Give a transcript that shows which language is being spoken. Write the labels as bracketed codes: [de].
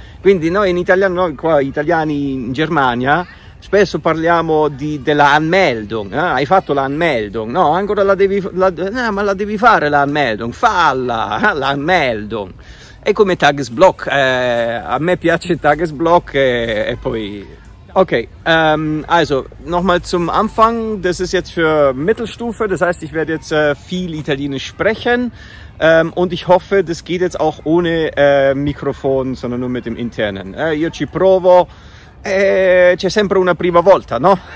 [it] Quindi noi in italiano, noi qua italiani in Germania, spesso parliamo della Anmeldung, eh? Hai fatto la Anmeldung? No, ancora la devi, ma la devi fare la Anmeldung, falla, eh? La Anmeldung. È come Tagesblock, a me piace Tagesblock e poi. [de] Okay, also nochmal zum Anfang, das ist jetzt für Mittelstufe, das heißt, ich werde jetzt viel Italienisch sprechen. Und ich hoffe, das geht jetzt auch ohne Mikrofon, sondern nur mit dem internen. [it] Io ci provo. C'è sempre una prima volta, no?